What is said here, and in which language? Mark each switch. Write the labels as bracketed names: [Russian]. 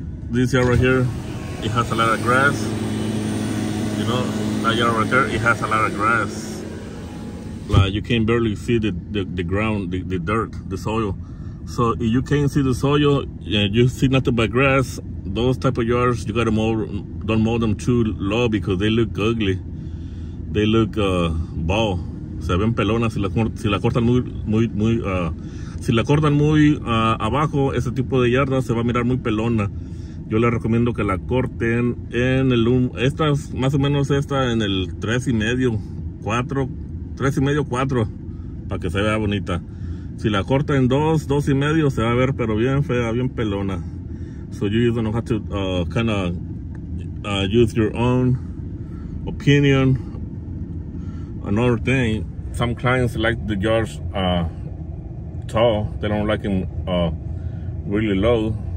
[English] This yard right here, it has a lot of grass. You know, that yard right there, it has a lot of grass. Like, you can barely see the ground, the dirt, the soil. So if you can't see the soil, you see nothing but grass, those type of yards, you gotta mow, don't mow them too low, because they look ugly. They look bald. [Spanish] Se ven pelonas si la cortan muy, muy, muy, si la cortan muy abajo, ese tipo de yarda se va a mirar muy pelona. Yo les recomiendo que la corten en el, esta es más o menos esta en el 3 y medio, 4, para que se vea bonita. Si la corta en 2, 2 y medio, se va a ver pero bien fea, bien pelona. [English] So you don't have to kind of use your own opinion. Another thing, some clients like the yards tall, they don't like them really low.